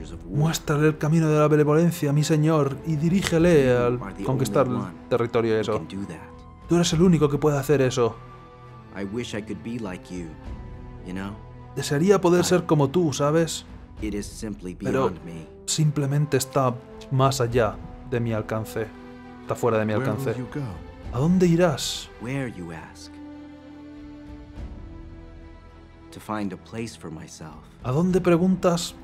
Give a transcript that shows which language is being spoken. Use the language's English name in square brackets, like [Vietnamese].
[Spanish] Muéstrale el camino de la benevolencia, mi señor, y dirígele al conquistar el territorio eso. Tú eres el único que puede hacer eso. [English] I wish I could be like you, you know? [Spanish] Desearía poder ser como tú, ¿sabes? [English] It is simply beyond me. [Spanish] Pero simplemente está más allá de mi alcance. Está fuera de mi alcance. [English] Where will you go? [Spanish] ¿A dónde irás? [English] Where, you ask? To find a place for myself. [Spanish] ¿A dónde preguntas?